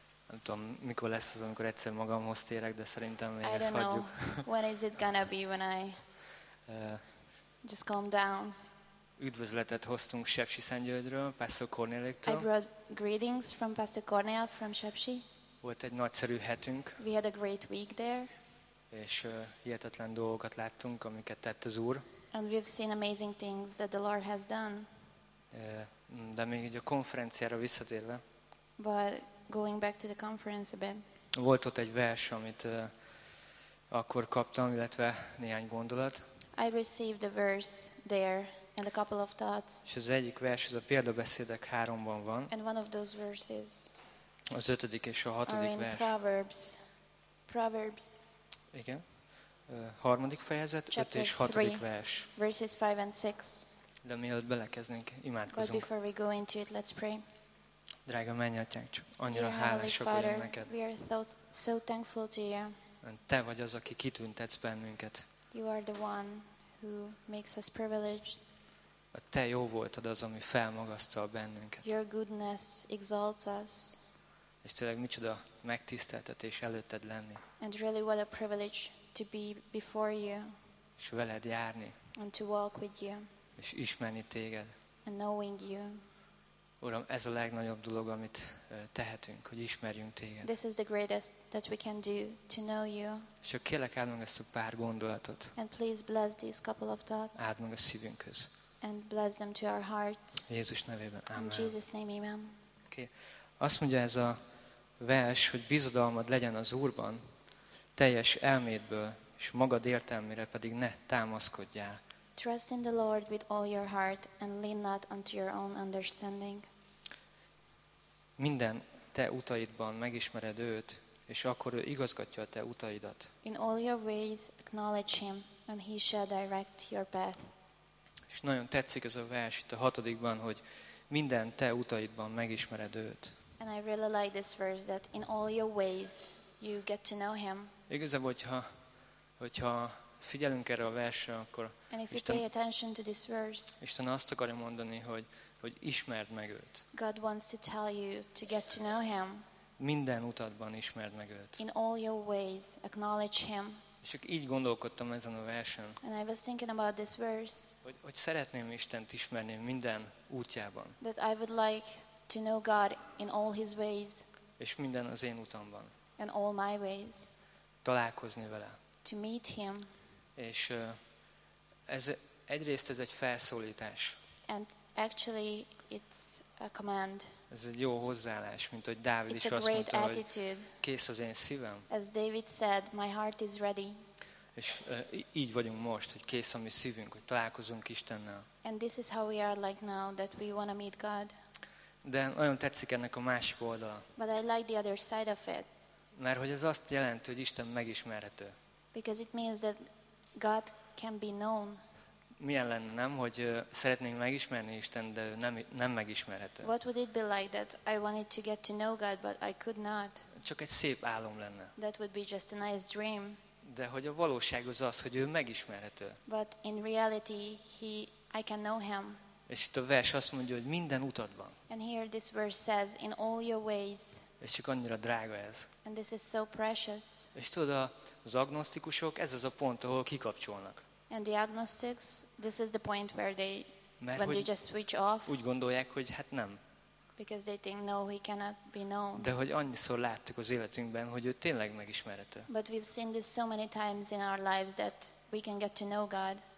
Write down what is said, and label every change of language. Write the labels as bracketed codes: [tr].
[hu] Nem tudom, mikor lesz az, amikor egyszer magamhoz térek, de szerintem még [en] I [hu] ezt [en] don't [hu] hagyjuk. [en] Know. When is it gonna be when I just calm down? [hu] Üdvözletet hoztunk Sepsi Szentgyörgyről, Pastor Cornéliktől. [en] I brought greetings from Pastor Cornél from Sepsi. [hu] Volt egy nagyszerű hetünk. [en] We had a great week there. [hu] És hihetetlen dolgokat láttunk, amiket tett az Úr. [en] And we've seen amazing things that the Lord has done. [hu] De még így a konferenciára visszatérve. [en] But going back to the conference a bit. [hu] Volt ott egy vers, amit akkor kaptam, illetve néhány gondolat. [en] I received a verse there and a couple of thoughts. [hu] És az egyik vers, az a Példabeszédek 3-ban van. [en] And one of those verses. [hu] Az 5. és a 6. vers. [en] Are in Proverbs. Proverbs. [hu] Igen. Harmadik fejezet, 5 és 6. vers. [en] Verses 5 and 6. [hu] De mielőtt belekeznénk, imádkozunk. [en] But before we go into it, let's pray. [hu] Drága mennyatyánk, csak annyira hálásak vagyunk neked. [en] We are so thankful to you. [hu] Te vagy az, aki kitüntetsz bennünket. [en] You are the one who makes us privileged. [hu] A te jó voltad az, ami felmagasztal bennünket. [en] Your goodness exalts us. [hu] És tényleg micsoda megtiszteltetés előtted lenni. [en] And really what a privilege to be before you. [hu] És veled járni. [en] And to walk with you. [hu] És ismerni téged. [en] And knowing you. [hu] Uram, ez a legnagyobb dolog, amit tehetünk, hogy ismerjünk téged. [en] This is the greatest that we can do, to know you. [hu] És akkor kérlek, áld meg ezt a pár gondolatot. [en] And please bless these couple of thoughts. [hu] Áld meg a szívünkhöz. [en] And bless them to our hearts. [hu] Jézus nevében. Amen. [en] In Jesus' name, amen. Okay. [hu] Azt mondja ez a vers, hogy bizodalmad legyen az Úrban, teljes elmédből, és magad értelmére pedig ne támaszkodjál. [en] Trust in the Lord with all your heart, and lean not unto your own understanding. [hu] Minden te utaidban megismered őt, és akkor ő igazgatja a te utaidat. [en] In all your ways acknowledge him, and he shall direct your path. [hu] És nagyon tetszik ez a vers itt a 6., hogy minden te utaidban megismered őt. [en] And I really like this verse that in all your ways you get to know him. [hu] Igazából, hogyha figyelünk erre a versre, akkor [en] And if you Isten, pay attention to this verse, [hu] Isten azt akarja mondani, hogy ismerd meg őt. [en] God wants to tell you to get to know him. [hu] Minden utadban ismerd meg őt. [en] In all your ways acknowledge him. [hu] És csak így gondolkodtam ezen a versen. [en] And I was thinking about this verse. [hu] Hogy szeretném Istent ismerni minden útjában. [en] That I would like to know God in all his ways. [hu] És minden az én utamban. [en] And all my ways. [hu] Találkozni vele. [en] To meet him. [hu] És ez egyrészt ez egy felszólítás. [en] And actually it's a command. [hu] Ez egy jó hozzáállás, mint hogy Dávid [en] it's [hu] is azt mondta, [en] attitude, [hu] hogy kész az én szívem. [en] As David said, my heart is ready. [hu] És így vagyunk most, hogy kész a mi szívünk, hogy találkozunk Istennel. [en] And this is how we are like now, that we want to meet God. [hu] De nagyon tetszik ennek a másik oldala. [en] But I like the other side of it. [hu] Mert hogy ez azt jelenti, hogy Isten megismerhető. [en] Because it means that God can be known. [hu] Milyen lenne, nem, hogy szeretnénk megismerni Isten, de nem megismerhető. [en] What would it be like that I wanted to get to know God, but I could not? [hu] Csak egy szép álom lenne. [en] That would be just a nice dream. [hu] De hogy a valóság az, hogy ő megismerhető. [en] But in reality, I can know him. [hu] És itt a vers azt mondja, hogy minden utadban. [en] And here this verse says, in all your ways. [hu] És csak annyira drága ez. [en] And this is so precious. [hu] És tudod, az agnosztikusok, ez az a pont, ahol kikapcsolnak. [en] And the agnostics, this is the point where they, [hu] Mert [en] when they just switch off. [hu] Úgy gondolják, hogy hát nem. [en] Because they think, no, he cannot be known. [hu] De hogy annyiszor láttuk az életünkben, hogy ő tényleg megismerhető. [en] But we've seen this so many times in our lives that we can get to know God.